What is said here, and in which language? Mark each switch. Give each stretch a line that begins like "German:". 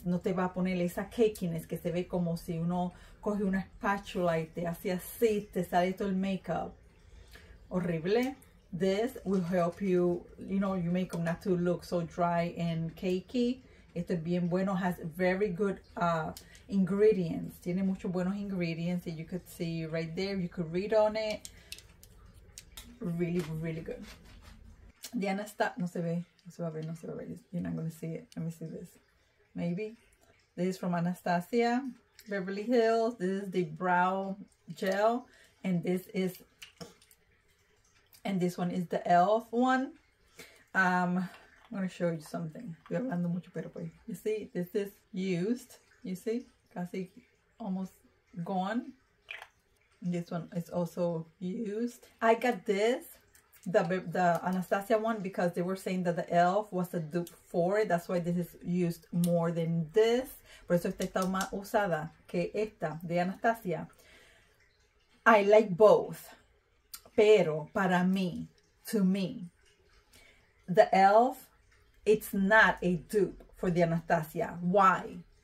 Spanish: No te va a poner esa cakiness que se ve como si uno coge una espátula y te hace así, te sale todo el makeup. Horrible.
English: This will help you, you know, your makeup not to look so dry and cakey.
Spanish: Esto es bien bueno,
English: has very good ingredients.
Spanish: Tiene muchos buenos
English: ingredients that you could see right there. You could read on it. Really, really good.
Spanish: Diana está, no se ve, no se va a ver, no se va a ver.
English: You're not going to see it. Let me see this. Maybe. This is from Anastasia, Beverly Hills. This is the brow gel. And this is, and this one is the e.l.f. one. I'm going to show you something.
Spanish: Estoy hablando mucho, pero pues.
English: You see, this is used. You see,
Spanish: casi
English: almost gone. This one is also used. I got this, the Anastasia one, because they were saying that the e.l.f. was a dupe for it. That's why this is used more than this.
Spanish: Por eso esta está más usada que esta de Anastasia.
English: I like both.
Spanish: Pero para mí,
English: to me, the e.l.f., it's not a dupe for the Anastasia. Why?